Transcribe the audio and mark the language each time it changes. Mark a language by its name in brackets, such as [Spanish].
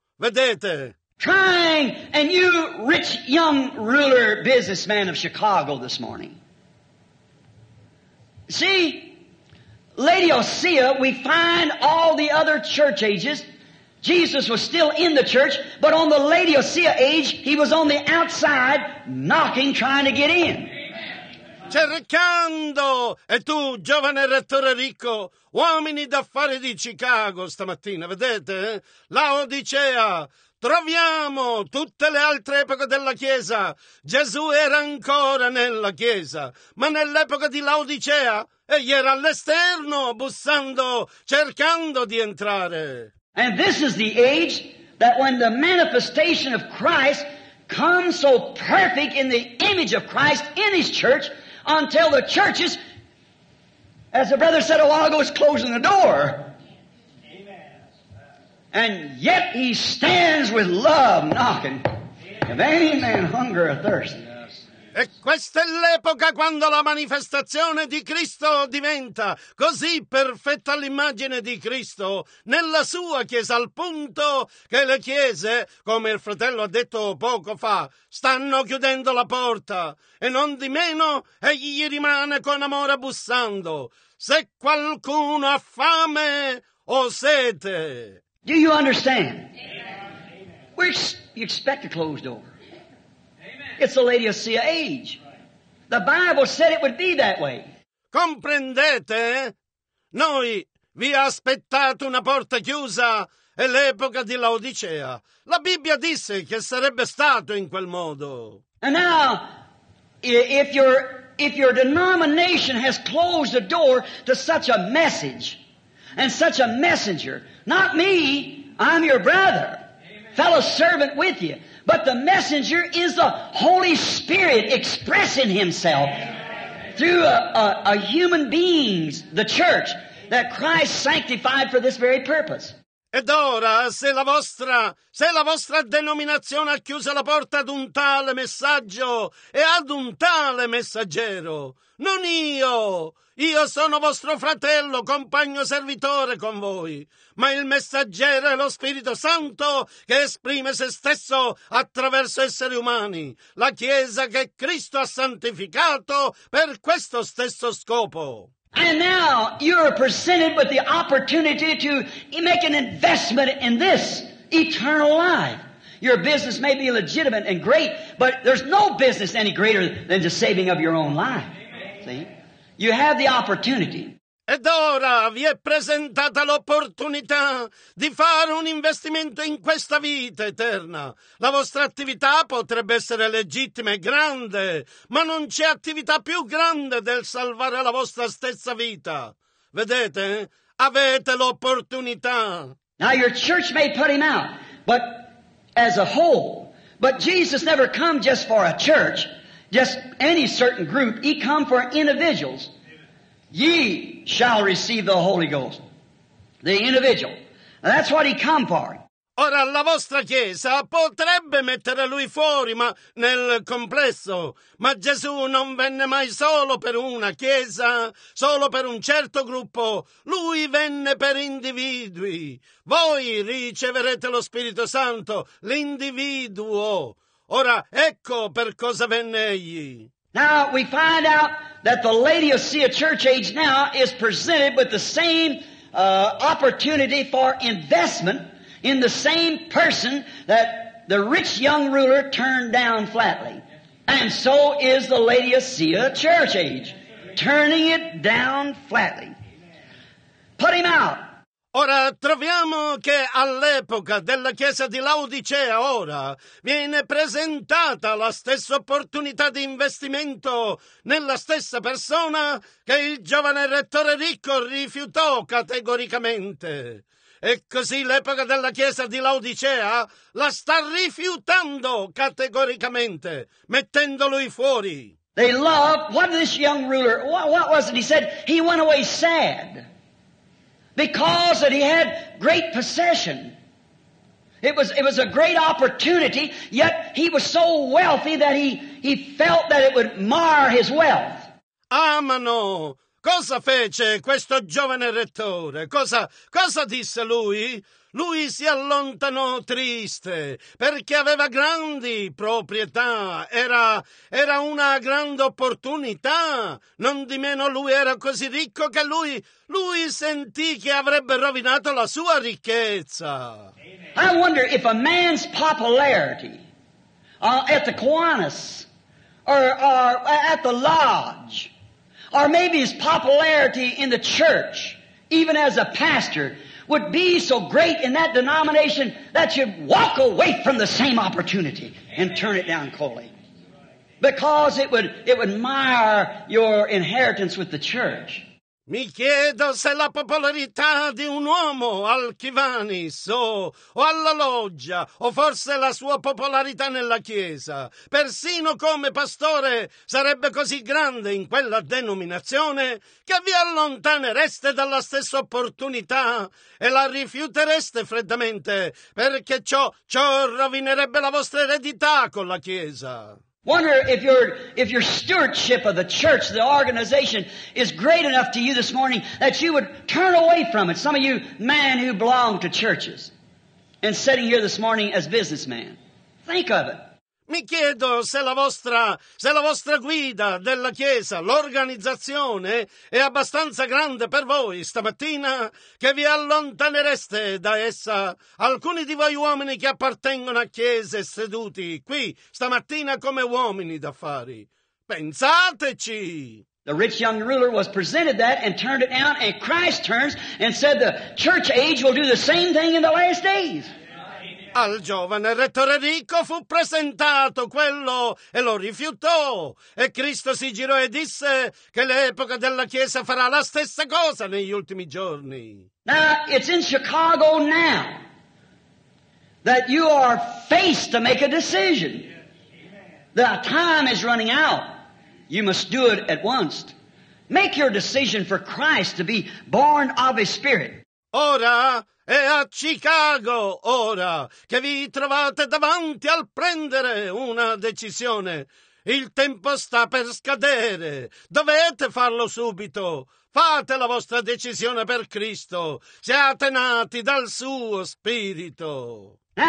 [Italian] Vedete? [English] Trying, and you rich young ruler businessman of Chicago this morning. See, Laodicea, we find all the other church ages. Jesus was still in the church, but on the Laodicea age, he was on the outside knocking, trying to get in. [Italian] Cercando, e tu, giovane rettore ricco, uomini d'affari di Chicago stamattina, vedete? Laodicea. Troviamo tutte le altre epoche della Chiesa. Gesù era ancora nella Chiesa, ma nell'epoca di Laodicea egli era all'esterno, bussando, cercando di entrare. [English] And this is the age that when the manifestation of Christ comes so perfect in the image of Christ in his church, until the churches, as the brother said a while ago, is closing the door. And yet he stands with love knocking. If any man hunger or thirst. [Italian] E questa è l'epoca quando la manifestazione di Cristo diventa così perfetta l'immagine di Cristo nella sua Chiesa, al punto che le chiese, come il fratello ha detto poco fa, stanno chiudendo la porta. E non di meno egli rimane con amore bussando. Se qualcuno ha fame o sete. [English] Do you understand? Amen. You expect a closed door. Amen. It's the Laodicea age. The Bible said it would be that way. [Italian] Comprendete? Noi vi ha aspettato una porta chiusa, è l'epoca di Laodicea. La Bibbia disse che sarebbe stato in quel modo. [English] And now, if your denomination has closed the door to such a message and such a messenger, not me, I'm your brother, Amen. Fellow servant with you, but the messenger is the Holy Spirit expressing himself Amen. Through a human beings, the church, that Christ sanctified for this very purpose. [Italian] Ed ora, se la vostra denominazione ha chiuso la porta ad un tale messaggio e ad un tale messaggero, non io. Io sono vostro fratello, compagno servitore con voi, ma il messaggero è lo Spirito Santo che esprime se stesso attraverso esseri umani, la Chiesa che Cristo ha santificato per questo stesso scopo. [English] And now you're presented with the opportunity to make an investment in this eternal life. Your business may be legitimate and great, but there's no business any greater than the saving of your own life. See? You have the opportunity. [Italian] Ed ora vi è presentata l'opportunità di fare un investimento in questa vita eterna. La vostra attività potrebbe essere legittima e grande, ma non c'è attività più grande del salvare la vostra stessa vita. Vedete? Avete l'opportunità. [English] Now your church may put him out, but as a whole. But Jesus never come just for a church. Just any certain group, he come for individuals. Ye shall receive the Holy Ghost. The individual. That's what he come for. [Italian] Ora la vostra chiesa potrebbe mettere lui fuori, ma nel complesso. Ma Gesù non venne mai solo per una chiesa, solo per un certo gruppo. Lui venne per individui. Voi riceverete lo Spirito Santo, l'individuo. Ora, ecco per cosa venne egli. [English] Now we find out that the Laodicea church age now is presented with the same opportunity for investment in the same person that the rich young ruler turned down flatly. And so is the Laodicea church age, turning it down flatly. Put him out. [Italian] Ora, troviamo che all'epoca della chiesa di Laodicea, ora, viene presentata la stessa opportunità di investimento nella stessa persona che il giovane rettore ricco rifiutò categoricamente. E così l'epoca della chiesa di Laodicea la sta rifiutando categoricamente, mettendo lui fuori. [English] They love, what this young ruler, what was it he said? He went away sad. Because that he had great possession. It was a great opportunity, yet he was so wealthy that he felt that it would mar his wealth. [Italian] Amano, cosa fece questo giovane rettore? Cosa disse lui? Lui si allontanò triste perché aveva grandi proprietà, era una grande opportunità. Non di meno lui era così ricco che lui sentì che avrebbe rovinato la sua ricchezza. [English] I wonder if a man's popularity at the Kiwanis or at the lodge or maybe his popularity in the church, even as a pastor, would be so great in that denomination that you'd walk away from the same opportunity and turn it down coldly. Because it would mar your inheritance with the church. [Italian] Mi chiedo se la popolarità di un uomo al Kiwanis o alla loggia o forse la sua popolarità nella chiesa, persino come pastore, sarebbe così grande in quella denominazione che vi allontanereste dalla stessa opportunità e la rifiutereste freddamente perché ciò rovinerebbe la vostra eredità con la chiesa. [English] Wonder if your stewardship of the church, the organization, is great enough to you this morning that you would turn away from it. Some of you men who belong to churches and sitting here this morning as businessmen. Think of it. [Italian] Mi chiedo se la vostra guida della Chiesa, l'organizzazione, è abbastanza grande per voi stamattina che vi allontanereste da essa. Alcuni di voi uomini che appartengono a Chiese seduti qui stamattina come uomini d'affari. Pensateci! [English] The rich young ruler was presented that and turned it down, and Christ turns and said the church age will do the same thing in the last days. [Italian] Al giovane rettore ricco fu presentato quello e lo rifiutò. E Cristo si girò e disse che l'epoca della Chiesa farà la stessa cosa negli ultimi giorni. [English] Now, it's in Chicago now that you are faced to make a decision. The time is running out. You must do it at once. Make your decision for Christ to be born of His Spirit. [Italian] Ora è a Chicago, ora, che vi trovate davanti al prendere una decisione. Il tempo sta per scadere. Dovete farlo subito. Fate la vostra decisione per Cristo. Siate nati dal suo spirito.